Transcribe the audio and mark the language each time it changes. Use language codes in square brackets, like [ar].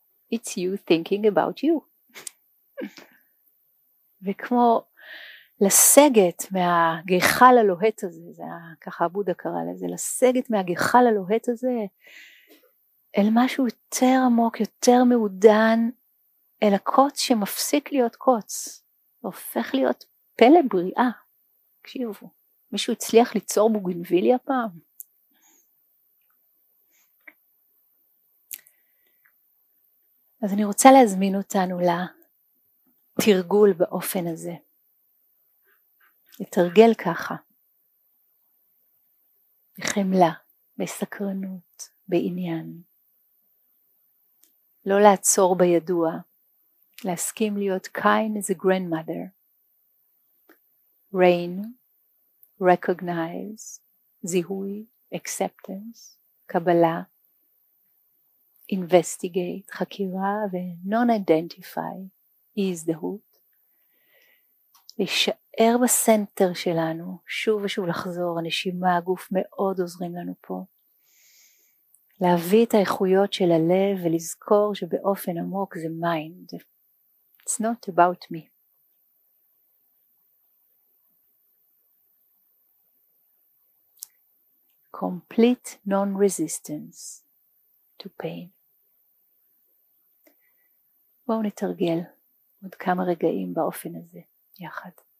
[en] It's you thinking about you. [he] וכמו לסגת מהגיחל הלוהט הזה, זה ככה בודה קרא לזה, לסגת מהגיחל הלוהט הזה, אל משהו יותר עמוק, יותר מעודן, אל הקוץ שמפסיק להיות קוץ, והופך להיות פלא בריאה. קשיבו, מישהו הצליח ליצור בוגנביליה פעם? אז אני רוצה להזמין אותנו לתרגול באופן הזה. לתרגל ככה. בחמלה, בסקרנות, בעניין. לא לעצור בידוע. להסכים להיות [en] kind as a grandmother. Rain, recognize, [he] זיהוי, acceptance, קבלה. investigate, חקירה, ו-non-identify, הזדהות. להישאר בסנטר שלנו, שוב ושוב לחזור, הנשימה, הגוף מאוד עוזרים לנו פה. להביא את האיכויות של הלב, ולזכור שבאופן עמוק זה mind. [en] It's not about me. Complete non-resistance to pain. [he] בואו נתרגל עוד כמה רגעים באופן הזה יחד.